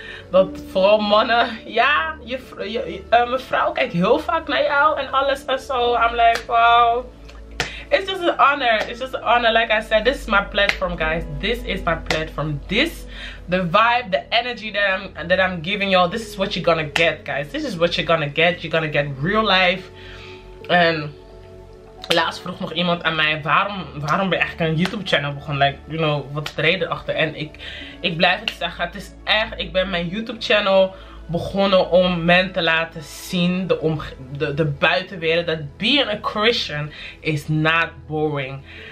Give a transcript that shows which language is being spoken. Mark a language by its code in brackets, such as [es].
[nl] Dat vooral mannen. Ja, mijn vrouw kijkt heel vaak naar jou. En alles en zo. [en] I'm like, wow. It's just an honor. It's just an honor. Like I said, this is my platform, guys. This is my platform. This, the vibe, the energy that I'm giving y'all. This is what you're gonna get, guys. This is what you're gonna get. You're gonna get real life. [nl] En laatst vroeg nog iemand aan mij, waarom ben je eigenlijk een YouTube-channel begonnen? [en] Like, you know, [nl] wat is de reden achter? En ik blijf het zeggen. Het is echt, ik ben mijn YouTube-channel begonnen om men te laten zien, de buitenwereld, dat [en] being a Christian is not boring.